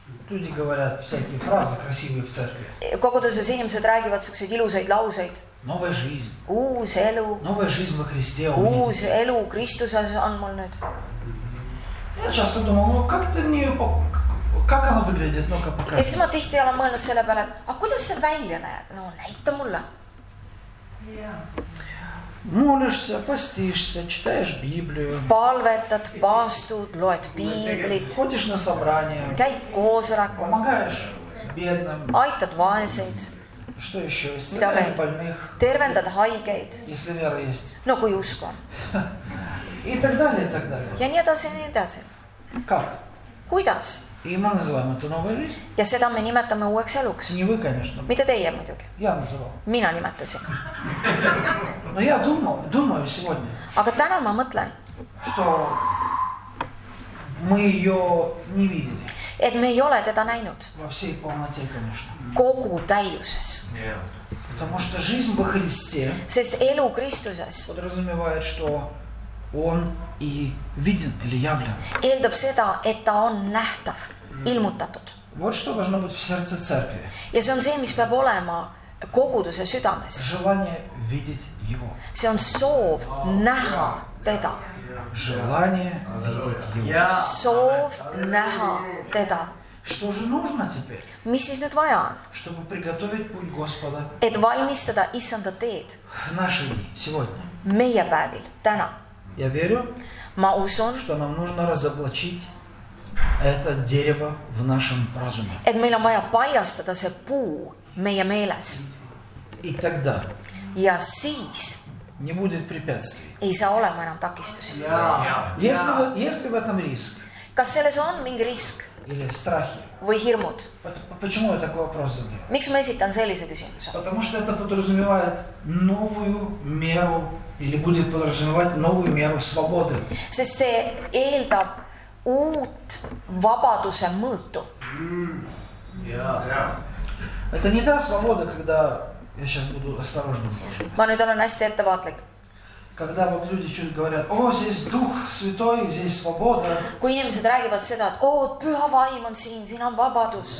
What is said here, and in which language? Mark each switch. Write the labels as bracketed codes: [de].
[ru] Люди говорят всякие фразы красивые в церкви. Когда за синим все трагивают все эти лузы и лаузы. Новая жизнь. [et] Уз элу. [ru] Новая жизнь во Христе. [et] Уз элу Христос он мол нет. [ru] Я часто думал, ну как ты не Как оно выглядит? Ну-ка, покажи. [et] Ja siis ma tihti olen mõelnud selle peale, aga kuidas see välja näeb? No, näita mulle. [ru] Molишься, постишься, читаешь Библию. [et] Palvetad, paastud, loed Biiblit. [ru] Ходишь на собрание. [et] Käi koosraku. [ru] Помогаешь бедным. [et] Aitad vaeseid. [ru] Что еще? Исцеляешь больных. [et] Tervendad haigeid. [ru] Если вера есть. [et] No, kui usk on. [ru] И так далее, и так далее. [et] Ja nii edasi, nii edasi. [ru] Как? [et] Kuidas? [ru] И мы называем это новой жизнью. [et] Ja seda me nimetame uueks eluks. [ru] Не вы, конечно. [et] Mitte teie muidugi. [ru] Я называл. [et] Mina nimetasin. [ru] Но я думаю сегодня. [et] Aga täna ma mõtlen. [ru] Что мы ее не видели. [et] et me ei ole teda näinud. [ru] Во всей полноте, конечно. [et] Kogu täiuses. [en] Yeah. [ru] Потому что жизнь во Христе. [et] Sest elu Kristuses. [ru] Подразумевает, что он и виден или явлен. [et] Eeldab seda, et ta on nähtav, ilmutatud. [ru] Вот что должно быть в сердце церкви. [et] Ja see on see, mis peab olema koguduse südames. [ru] Желание видеть его. [et] See on soov näha teda. [ru] Желание видеть его. [et] Soov näha teda. [ru] Что же нужно теперь? [et] Mis siis nüüd vaja on? [ru] Чтобы приготовить путь Господа. [et] Et valmistada Issanda teed. [ru] В наши дни, сегодня. [et] Meie päevil, täna. [ru] Я верю. [et] Ma usun, [ru] что нам нужно разоблачить это дерево в нашем разуме. [et] Et meil on vaja paljastada see puu meie meeles. [ru] И тогда. [et] Ja siis. [ru] Не будет препятствий. [et] Ei saa olema enam takistusi. Ja, ja. [ru] Если в этом риск. [et] Kas selles on mingi risk? [ru] Или страхи? [et] Või hirmud? [ru] Почему я такой вопрос задаю? [et] Miks ma esitan sellise küsimuse? [ru] Потому что это подразумевает новую меру или будет подразумевать новую меру свободы. [et] Sest see eeldab uut vabaduse mõõtu. [ru] Это не та свобода, когда я сейчас буду осторожно слушать. [et] Ma nüüd olen hästi ettevaatlik. [ru] Когда вот люди чуть говорят: "О, здесь дух святой, здесь свобода". [et] Kui inimesed räägivad seda, et oo, püha vaim on siin, siin on vabadus.